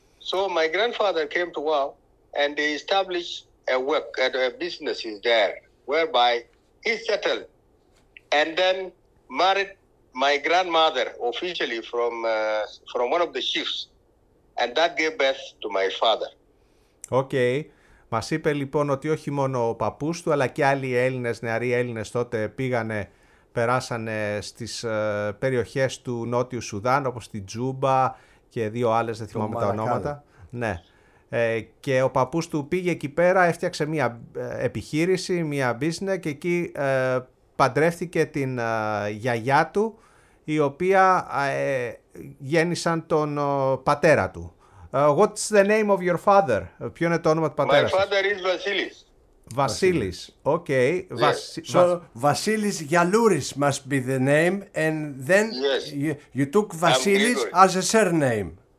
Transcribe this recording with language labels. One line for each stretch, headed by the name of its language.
English: So my grandfather came to Wau, and they established a business there, whereby he settled and then married my grandmother officially from one of the chiefs, and that gave birth to my father. Okay.
Greek: Μας είπε λοιπόν ότι όχι μόνο ο παππούς του, αλλά και άλλοι Έλληνες, νεαροί Έλληνες τότε πήγανε, περάσανε στις περιοχές του Νότιου Σουδάν, όπως την Τζούμπα και δύο άλλες, δεν θυμάμαι τα ονόματα. Ναι. Και ο παππούς του πήγε εκεί πέρα, έφτιαξε μια επιχείρηση, μια business, και εκεί παντρεύτηκε την γιαγιά του, η οποία γέννησαν τον πατέρα του.
English: What's the name of your father?
Greek: Ποιο είναι το όνομα του πατέρα σας?
English: My father is Vasilis. Vasilis, okay. Yes. So, Vasilis Gialouris must be the name, and then you took Vasilis as a surname.